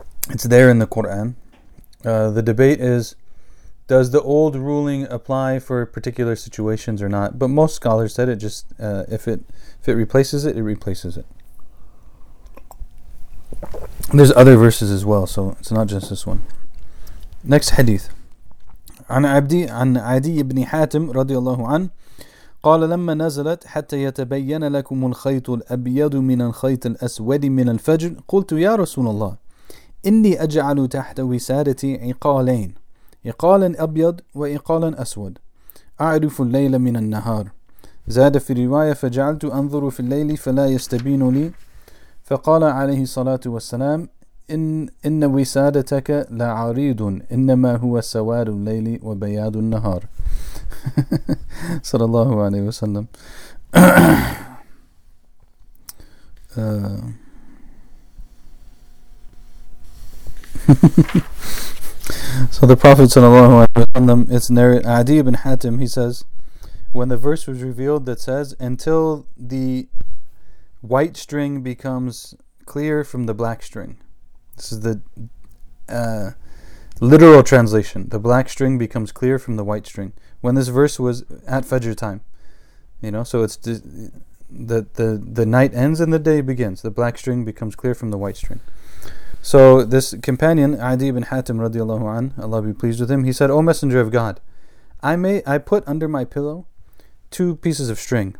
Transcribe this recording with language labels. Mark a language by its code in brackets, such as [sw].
[en] It's there in the Qur'an. The debate is, does the old ruling apply for particular situations or not? But most scholars said it just, if it replaces it, it replaces it. There's other verses as well, so it's not just this one. Next hadith. [ar] عن عبدي عن عدي بن حاتم رضي الله عنه قال لما نزلت حتى يتبين لكم الخيط الأبيض من الخيط الأسود من الفجر قلت يا رسول الله إني أجعل تحت وسادتي عقالين عقالا أبيض وعقالا أسود أعرف الليل من النهار زاد في الرواية فجعلت أنظر في الليل فلا يستبين لي فقال عليه الصلاة والسلام إن وسادتك لا عريض إنما هو سواد الليل وبياض النهار صلى الله عليه وسلم [en] So the Prophet sallallahu alaihi wasallam, it's narrated, Adi ibn Hatim, he says, when the verse was revealed that says, until the white string becomes clear from the black string. This is the literal translation. The black string becomes clear from the white string. When this verse was at Fajr time, you know, so it's the night ends and the day begins. The black string becomes clear from the white string. So this companion, Adi ibn Hatim radiallahu anhu, Allah be pleased with him, he said, O Messenger of God, I put under my pillow two pieces of string.